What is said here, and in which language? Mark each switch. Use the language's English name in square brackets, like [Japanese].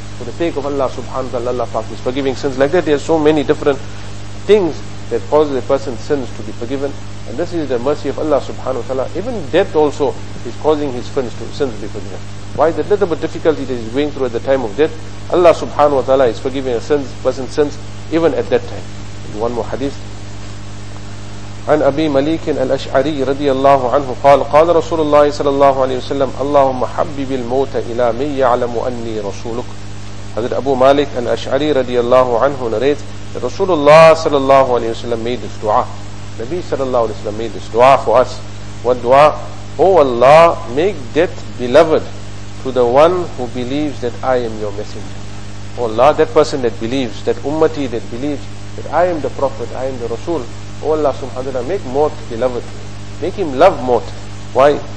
[English] for the sake of Allah subhanahu wa ta'ala, Allah Pak is forgiving sins. Like that, there are so many different things that causes a person's sins to be forgiven. And this is the mercy of Allah subhanahu wa ta'ala. Even death also is causing his sins to be forgiven. Why? The little bit difficulty that he's going through at the time of death, Allah subhanahu wa ta'ala is forgiving a person's sins even at that time. And one more hadith. [Arabic] عن أبي مليك الأشعري رضي الله عنه قال قال رسول الله صلى الله عليه وسلم اللهم حبب الموت إلى من يعلم أني رسولك. حضرت أبو مالك الأشعري رضي الله عنه [English] narrates that [Arabic] رسول الله صلى الله عليه وسلم [English] made this dua. [Arabic] نبي صلى الله عليه وسلم [English] made this dua for us. What dua? Oh Allah, make death beloved to the one who believes that I am your messenger. Oh Allah, that person that believes, that ummati that believes that I am the prophet, I am the rasul, oh Allah subhanahu wa ta'ala, make maut beloved. Make him love maut. Why?